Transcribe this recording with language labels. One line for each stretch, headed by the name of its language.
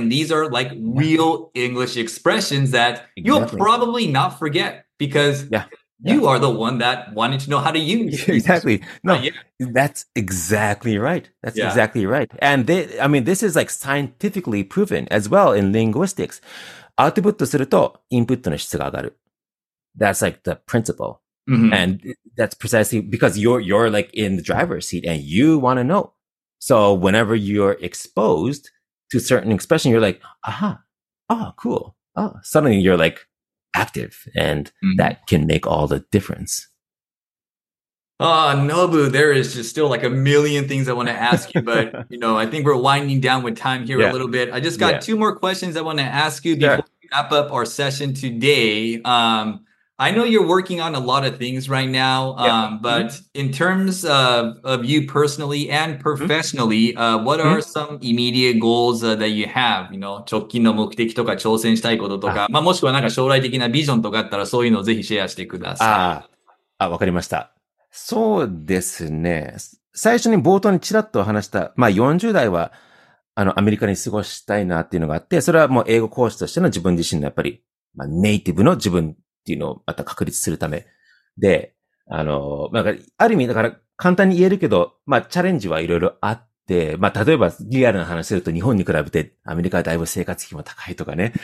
English: And these are like real English expressions that you'll probably not forget because... You are the one that wanted to know how to use. Exactly. No, that's exactly right. That's exactly right. And they, I mean, this is like scientifically proven as well in linguistics.
Japanese: アウトプットするとインプットの質が上がる。
English: That's like the principle. Mm-hmm. And that's precisely because you're like in the driver's seat and you want to know. So whenever you're exposed to certain expression, you're like, aha, oh, cool. Oh, suddenly you're like,active and that can make all the difference. Oh, Nobu, there is just still like a million things I want to ask you, but you know, I think we're winding down with time here a little bit. I just got two more questions I want to ask you before we wrap up our session today. I know you're working on a lot of things right now, but in terms of you personally and professionally, what are some immediate goals that you have? You know,
Japanese: 直近の目的とか挑戦したいこととか、まあもしくはなんか将来的なビジョンとかあったらそういうのをぜひシェアしてください。ああ、わかりました。そうですね。最初に冒頭にちらっと話した、まあ40代はあのアメリカに過ごしたいなっていうのがあって、それはもう英語講師としての自分自身のやっぱり、まあ、ネイティブの自分、っていうのをまた確立するためで、あの、なんか、ある意味、だから、簡単に言えるけど、まあ、チャレンジはいろいろあって、まあ、例えば、リアルな話すると、日本に比べて、アメリカはだいぶ生活費も高いとかね。